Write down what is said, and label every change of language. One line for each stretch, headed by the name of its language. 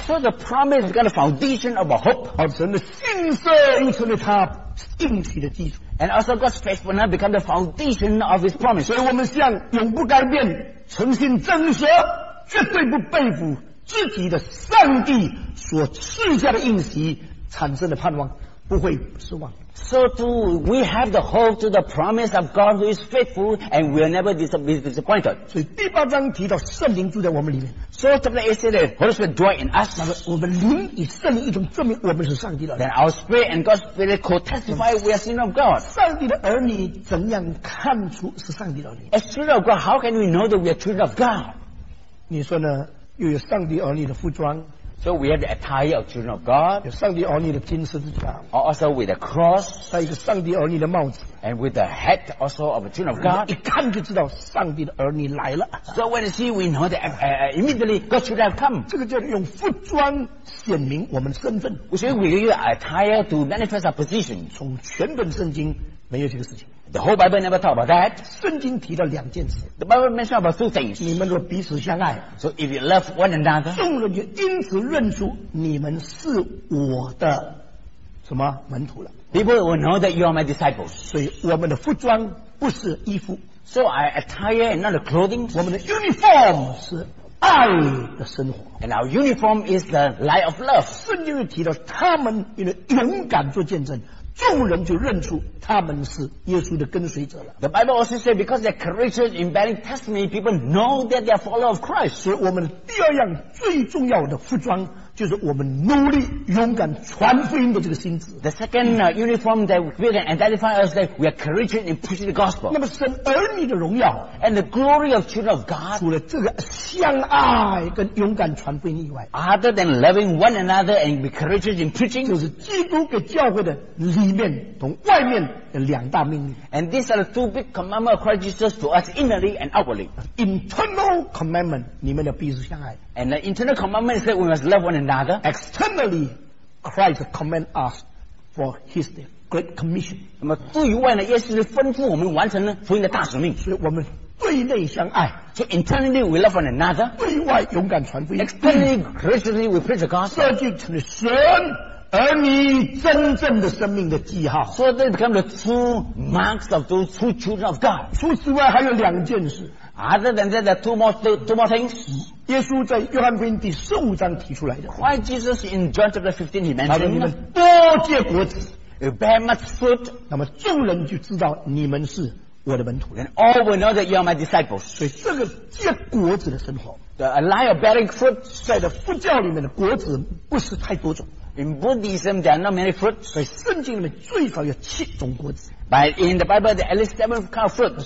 English: So the promise got a foundation of a hope
Chinese: 而神的信实又成了他应许的基础
English: And also God's faithfulness become the foundation of his promise
Chinese: 所以我们向永不改变诚信真实绝对不背负自己的上帝所赐下的应许产生的盼望不会失望
English: So do we have the hope to the promise of God who is faithful and will never be disappointed
Chinese: 所以第八章提到圣灵住在我们里面
English: So chapter 8 says that Holy Spirit dwells in us
Chinese: 那么我们灵与圣灵一同证明我们是上帝的
English: Then our spirit and God's spirit could testify we are sinners of God
Chinese: 上帝的儿女怎样看出是上帝的儿女
English: As children of God how can we know that we are children of God
Chinese: 你说呢又有上帝儿女的服装
English: So we have the attire of children of God
Chinese: 有上帝儿女的金十字架
English: Also with a cross
Chinese: 还有一个上帝儿女的帽子
English: And with the hat also of a children of God
Chinese: 一看就知道上帝的儿女来了
English: So when you see we know that immediately God should have come
Chinese: 这个叫做用服装显明我们身份
English: So we use attire to manifest our position
Chinese: 从全本圣经没有这个事情
English: The whole Bible never talk about that
Chinese: 圣经提到两件事
English: The Bible mentions about two things
Chinese: 你们若彼此相爱
English: So if you love one another
Chinese: 众人就因此认出你们是我的什么门徒了
English: People will know that you are my disciples
Chinese: 所以我们的服装不是衣服。
English: So our attire and not the clothing.
Chinese: 我们的 uniform 是爱的生活。
English: And our uniform is the light of love.
Chinese: 圣经提到他们勇敢做见证，众人就认出他们是耶稣的跟随者了。
English: The Bible also says because they're courageous in bearing testimony, people know that they are followers of Christ.
Chinese: 所以我们第二样最重要的服装就是我们努力勇敢传福音的这个心智。
English: The second uniform that we can identify us that we are courageous in preaching the gospel.
Chinese: 那么神儿女的荣耀
English: and the glory of children of God.
Chinese: 除了这个相爱跟勇敢传福音以外
English: ，other than loving one another and be courageous in preaching，
Chinese: 就是基督给教会的里面同外面的两大命令。
English: And these are the two big commandments of Christ Jesus to us inwardly and outwardly. Internal commandment，
Chinese: 你们要彼此相爱。
English: And the internal commandment is that we must love one another. Externally, Christ commands us for His great commission.
Chinese: 那么对于外呢，耶稣是吩咐我们完成福音的大使命。所以我们对内相爱。
English: So internally we love one another.
Chinese: 对外勇敢传福音。
English: Externally, graciously we preach the gospel.
Chinese: 这就成了神儿女真正的生命的记号。
English: So they become the true marks of those true children of God.
Chinese: 除此外还有两件事。
English: Other than that, there are two more things.
Chinese: 耶稣在约翰福音第十五章提出来的。
English: Why Jesus in John chapter 15 he mentioned?
Chinese: 他说你们多结果子
English: ，you bear much fruit.
Chinese: 那么众人就知道你们是我的门徒。
English: And all will know that you are my disciples.
Chinese: 所以这个结果子的生活
English: ，the life of bearing fruit，
Chinese: 在的佛教里面的果子不是太多种。
English: In Buddhism, there are not many fruits.
Chinese: 所以圣经里面最少有七种果子。
English: But in the Bible, there are at least 7 kinds of fruits.